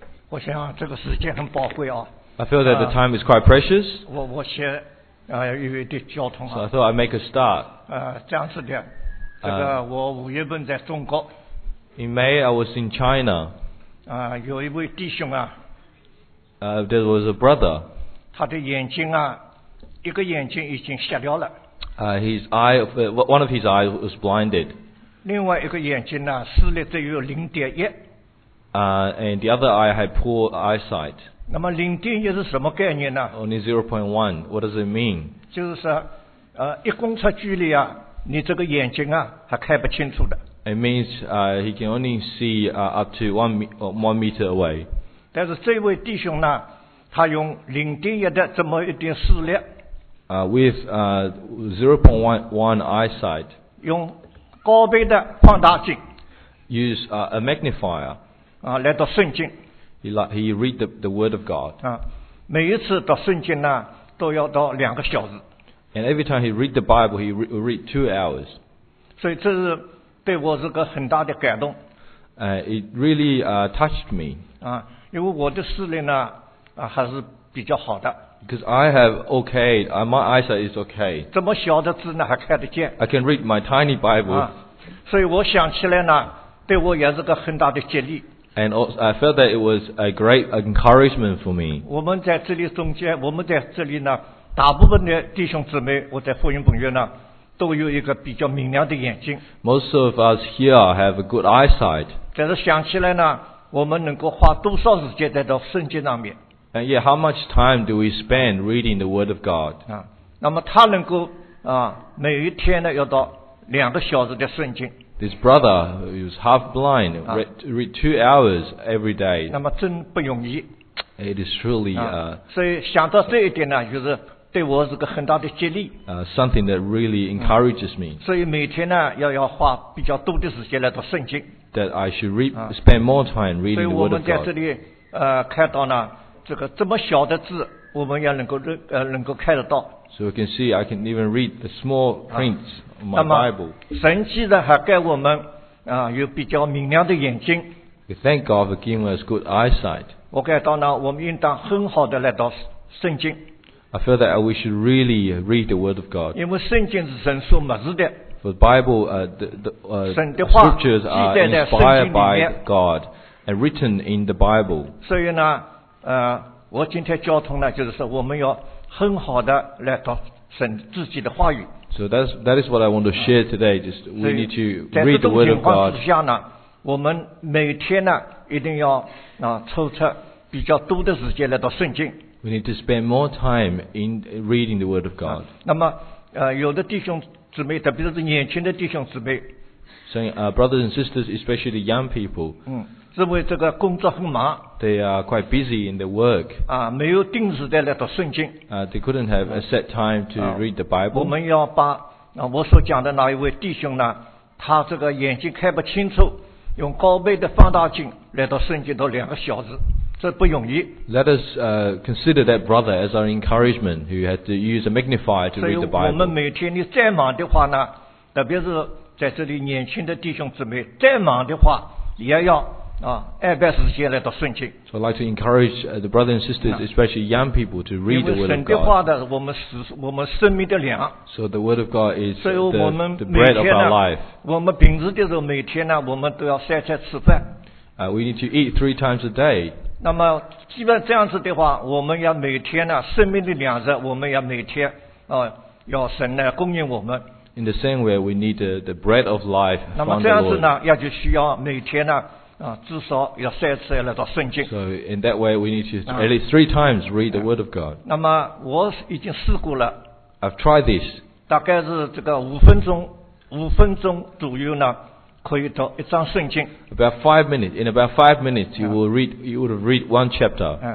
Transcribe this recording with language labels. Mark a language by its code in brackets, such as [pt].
[zh] 我想这个时间很宝贵啊。 [en] I feel that the time is quite precious. [zh] 我写预备的交通啊。 [en] So I thought I'd make a start. [zh] 这样子的，这个我五月份在中国。 [en] In May, I was in China. [zh] 有一位弟兄啊。 [en] There was a brother. [zh] 他的眼睛啊，一个眼睛已经瞎掉了。 [en] His eye, one of his eyes was blinded. [zh] 另外一个眼睛呢，视力只有0.1。 [en] And the other eye had poor eyesight. [zh] 那么零点一是什么概念呢 [en] ？Only 0.1. What does it mean? [zh] 就是说，一公尺距离啊，你这个眼睛啊，还看不清楚的。 [en] It means he can only see up to one meter away. [zh] 但是这位弟兄呢，他用0.1的这么一点视力。 [en] With 0.1 eyesight, [zh] 用高倍的放大镜 [en] use a magnifier, [zh] 来读圣经 [en] he read the word of God, [zh] 每一次读圣经呢，都要到2个小时 [en] and every time he read the Bible, he read 2 hours, [zh] 所以这是对我是个很大的感动 [en] it really touched me, [zh] 因为我的视力呢，还是比较好的 [en] Because I have okay, my eyesight is okay. [zh] 这么小的字呢还看得见 [en] I can read my tiny Bible. [zh] 所以我想起来呢，对我也是个很大的激励 [en] And also, I felt that it was a great encouragement for me. [zh] 我们在这里中间，我们在这里呢，大部分的弟兄姊妹，我在福音本院呢，都有一个比较明亮的眼睛 [en] Most of us here have a good eyesight. [zh] 但是想起来呢，我们能够花多少时间在到圣经上面？ [en] And yeah, how much time do we spend reading the Word of God? [zh] 那么他能够每一天呢要到2个小时的圣经。 [en] This brother who is half blind read 2 hours every day. [zh] 那么真不容易。 [en] It is truly [zh] 所以想到这一点呢，就是对我是个很大的激励。 [en] Something that really encourages me. [zh] 所以每天呢要花比较多的时间来读圣经。 [en] That I should spend more time reading the Word of God. [zh] 所以我们在这里看到呢。这个这么小的字，我们也能够看得到。 [en] So you can see, I can even read the small prints on my Bible. [zh] 神迹呢，还给我们有比较明亮的眼睛。 [en] We thank God for giving us good eyesight. [zh] 我感到呢，我们应当很好的来读圣经。 [en] I feel that we should really read the Word of God. [zh] 因为圣经是神所默示的。 [en] For the Bible, [zh] 神的话 [en] scriptures are inspired by God and written in the Bible. [zh] 所以呢。我今天交通呢，就是说我们要很好的来读神自己的话语。 [en] So that is what I want to share today. Just we need to read the word of God. [zh] 在这种情况之下呢，我们每天呢一定要抽出比较多的时间来读圣经。 [en] We need to spend more time in reading the word of God. [zh] 那么有的弟兄姊妹，特别是年轻的弟兄姊妹 [en] ，saying brothers and sisters, especially the young people. [zh] 认为这个工作很忙 [en] ，They are quite busy in their work. [zh] 没有定时的来读圣经。 [en] They couldn't have a set time to read the Bible. [zh] 我们要把我所讲的那一位弟兄呢，他这个眼睛看不清楚，用高倍的放大镜来读圣经，都2个小时，这不容易。 [en] Let us consider that brother as our encouragement, who had to use a magnifier to read the Bible. [zh] 所以我们每天你再忙的话呢，特别是在这里年轻的弟兄姊妹，再忙的话也要。爱拜时间来读圣经。 [en] So I'd like to encourage the brothers and sisters, especially young people, to read the word of God. [zh] 因为神的话呢，我们生命的粮。 [en] So the word of God is the bread of our life. [zh] 我们平时的时候，每天呢，我们都要三餐吃饭。 [en] We need to eat 3 times a day. [zh] 那么，基本这样子的话，我们要每天呢，生命的粮食，我们要每天要神来供应我们。 [en] In the same way, we need the bread of life from the Lord. [zh] 那么这样子呢，要就需要每天呢。至少要三次来读圣经。 [en] So in that way, we need to at least 3 times read the Word of God. [zh] 那么我已经试过了。 [en] I've tried this. [zh] 大概是这个五分钟左右呢，可以读一章圣经。 [en] About 5 minutes, you will read, you would have read 1 chapter.